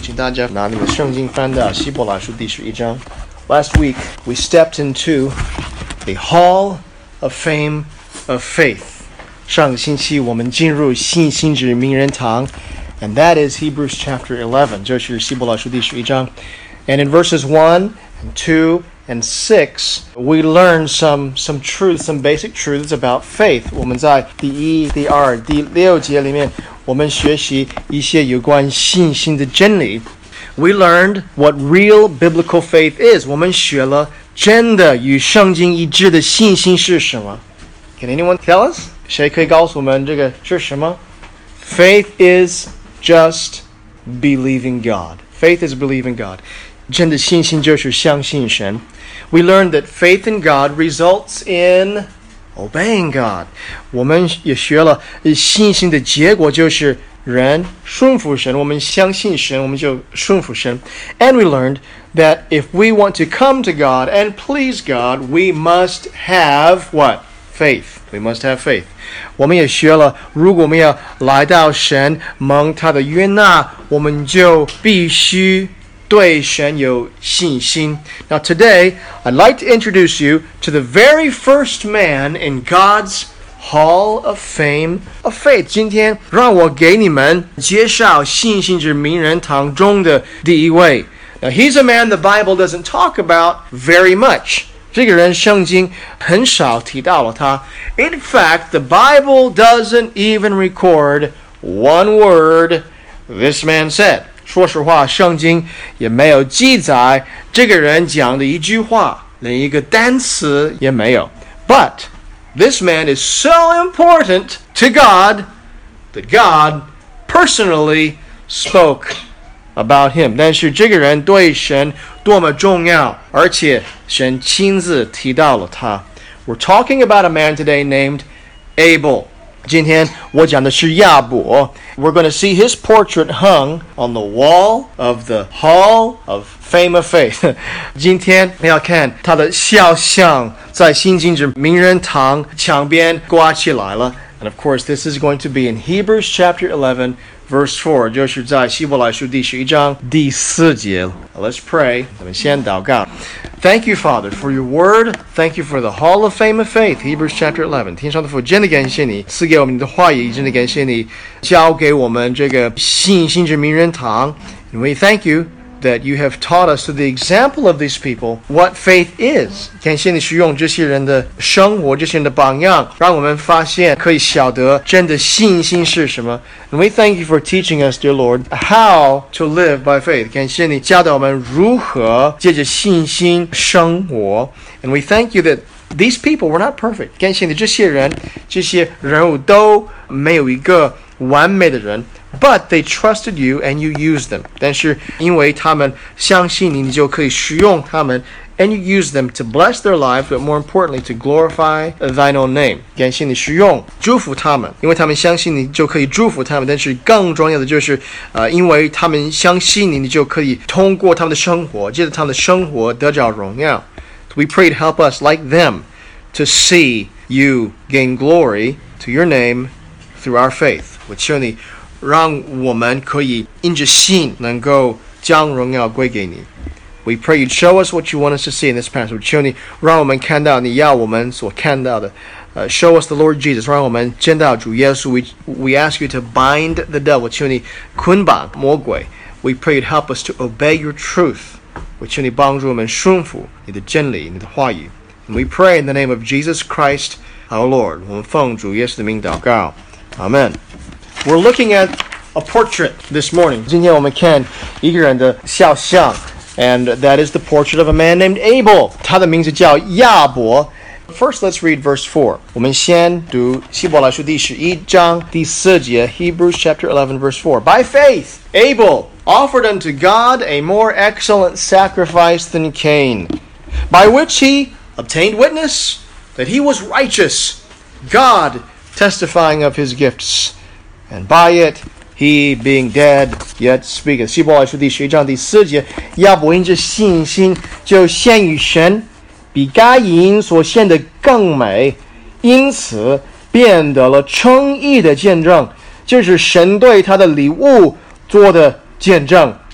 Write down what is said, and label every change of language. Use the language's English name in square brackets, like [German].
[Chinese] 请大家拿你们圣经翻到希伯来书第十一章。 [English] Last week, we stepped into the Hall of Fame of Faith. [Chinese] 上星期我们进入信心之名人堂 [English] and that is Hebrews chapter 11. [Chinese] 这是希伯来书第十一章。 [English] And in verses 1 and 2 and 6, we learn some truths, some basic truths about faith. [Chinese] 我们在第一、第二、第六节里面，我们学习一些有关信心的真理。 [English] We learned what real biblical faith is. [Chinese] 我们学了真的与圣经一致的信心是什么。 [English] Can anyone tell us? [Chinese] 谁可以告诉我们这个是什么? [English] Faith is just believing God. Faith is believing God. [Chinese] 真的信心就是相信神。 [English] We learned that faith in God results in obeying God. [Chinese] 我们也学了信心的结果就是人顺服神。我们相信神，我们就顺服神。 [English] And we learned that if we want to come to God and please God, we must have what? Faith. We must have faith. [Chinese] 我们也学了，如果我们要来到神蒙他的悦纳，我们就必须对神有信心。 [English] Now today, I'd like to introduce you to the very first man in God's Hall of Fame of Faith. [Chinese] 今天让我给你们介绍信心之名人堂中的第一位。 [English] Now he's a man the Bible doesn't talk about very much. [Chinese] 这个人圣经很少提到了他。 [English] In fact, the Bible doesn't even record one word this man said. [Chinese] 说实话，圣经也没有记载这个人讲的一句话，连一个单词也没有。 [English] But this man is so important to God that God personally spoke about him. [Chinese] 但是这个人对神多么重要，而且神亲自提到了他。 [English] We're talking about a man today named Abel. [Chinese] 今天我讲的是亚伯。 [English] We're going to see his portrait hung on the wall of the Hall of Fame of Faith. [Chinese] 今天要看他的肖像在信心之名人堂墙边挂起来了。 [English] And of course, this is going to be in Hebrews chapter 11, verse 4, [Chinese] 就是在希伯来书第十一章第四节。 [English] Let's pray. [Chinese] 我们先祷告。 [English] Thank you, Father, for your word. Thank you for the Hall of Fame of Faith, Hebrews chapter 11. [Chinese] 天上的父，真的感谢你赐给我们你的话语，真的感谢你教给我们这个信心之名人堂。 [English] And we thank you that you have taught us through the example of these people what faith is. [Chinese] 感谢你使用这些人的生活，这些人的榜样，让我们发现可以晓得真的信心是什么。 [English] And we thank you for teaching us, dear Lord, how to live by faith. [Chinese] 感谢你教导我们如何借着信心生活。 [English] And we thank you that these people were not perfect. [Chinese] 感谢你这些人物都没有一个完美的人。 [English] But they trusted you and you used them. [Chinese] 但是因为他们相信你，你就可以使用他们 [English] and you use them to bless their lives, but more importantly, to glorify thine own name. [Chinese] 感谢你使用祝福他们，因为他们相信你就可以祝福他们。但是更重要的就是因为他们相信你，你就可以通过他们的生活，借着他们的生活得着荣耀。 [English] So we pray to help us like them to see you gain glory to your name through our faith. [Chinese] 我求你让我们可以因着信能够将荣耀归给你。 [English] We pray you'd show us what you want us to see in this passage. [Chinese] 求你让我们看到你要我们所看到的。 [English] Show us the Lord Jesus. [Chinese] 让我们见到主耶稣。 [English] We ask you to bind the devil. [Chinese] 求你捆绑魔鬼。 [English] We pray you'd help us to obey your truth. [Chinese] 求你帮助我们顺服你的真理、你的话语。 [English] And we pray in the name of Jesus Christ, our Lord. [Chinese] 我们奉主耶稣的名祷告。 [English] Amen. We're looking at a portrait this morning. [Chinese] 今天我们看一个人的肖像 [English] and that is the portrait of a man named Abel. [Chinese] 他的名字叫亚伯。 [English] First, let's read verse 4. [Chinese] 我们先读希伯来书第十一章第四节 [English] Hebrews chapter 11, verse 4. By faith, Abel offered unto God a more excellent sacrifice than Cain, by which he obtained witness that he was righteous, God testifying of his gifts. And by it, he being dead, yet speaketh. [Chinese] 希伯来书第十一章第四节，亚伯因着信心就献与神，比该隐所献的更美，因此变得了称义的见证，这是神对他的礼物做的见证。